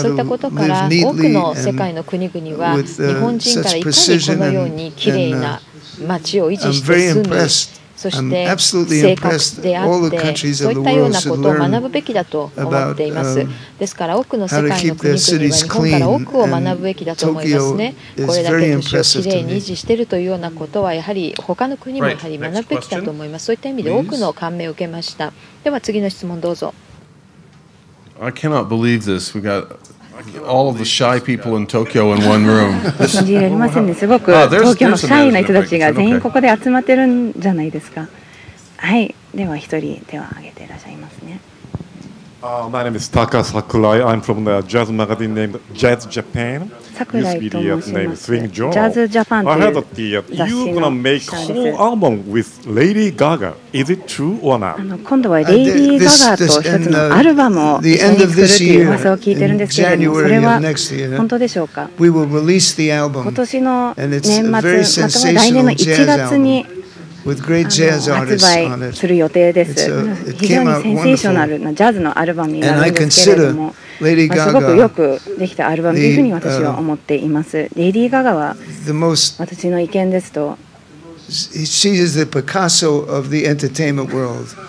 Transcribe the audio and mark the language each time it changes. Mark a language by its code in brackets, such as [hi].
[ja] そういったことから多くの世界の国々は日本人からいかにこのようにきれいな街を維持して住み、そして正確であってそういったようなことを学ぶべきだと思っています。ですから多くの世界の国々は日本から多くを学ぶべきだと思いますね。これだけ都市をきれいに維持しているというようなことはやはり他の国もやはり学ぶべきだと思います。そういった意味で多くの感銘を受けました。では次の質問どうぞ。 [en] I cannot believe this. We got all of the shy people in Tokyo in one room. [ja] すごく東京のシャイな人たちが全員ここで集まってるんじゃないですか。はい、では一人手を挙げていらっしゃいますね。 [en] My name is Taka Sakurai. I'm from the jazz magazine named Jazz Japan. [ja] Sakurai と申します。Jazz Japan という雑誌の記者です。 [en] You're gonna make whole album with Lady Gaga. Is it true or not? [ja] 今度はレイディー・ガガと一つのアルバムを一緒に作るという噂を聞いてるんですけれども、それは本当でしょうか？ [en] We will release the album. [ja] 今年の年末、または来年の1月に発売する予定です。非常にセンセーショナルなジャズのアルバムになるんですけれども、まあ、すごくよくできたアルバムというふうに私は思っています。レディー・ガガは私の意見ですと、 [en] She is the Picasso of the entertainment world.